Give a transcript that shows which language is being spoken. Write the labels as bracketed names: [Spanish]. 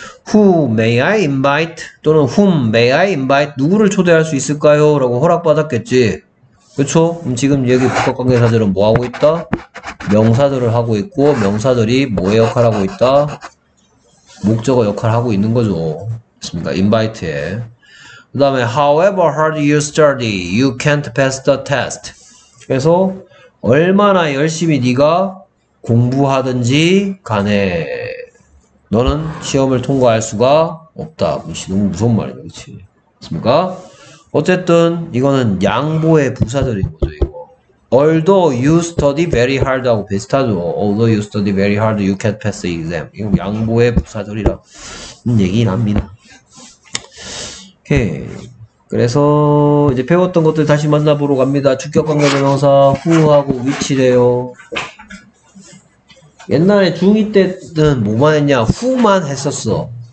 [English] Who may I invite? 또는 whom may I invite? [Korean] 누구를 초대할 수 있을까요? 라고 허락받았겠지. 그쵸? 그럼 지금 여기 복합관계사절은 뭐 하고 있다? 명사절을 하고 있고, 명사절이 뭐의 역할을 하고 있다? 목적어 역할을 하고 있는 거죠. 맞습니까? 인바이트에. 그 다음에, [English] however hard you study, you can't pass the test. [Korean] 그래서, 얼마나 열심히 네가 공부하든지 간에, 너는 시험을 통과할 수가 없다. 그치, 너무 무서운 말이야, 그치? 맞습니까? 어쨌든, 이거는 양보의 부사절인 거죠, 이거. [English] Although you study very hard [Korean] 하고 비슷하죠. [English] Although you study very hard, you can't pass the exam. [Korean] 이거 양보의 부사절이라는 얘기 납니다. 오케이. 그래서 이제 배웠던 것들 다시 만나보러 갑니다. 주격관계대명사 후하고 위치래요. 옛날에 중2 때는 뭐만 했냐? 후만 했었어.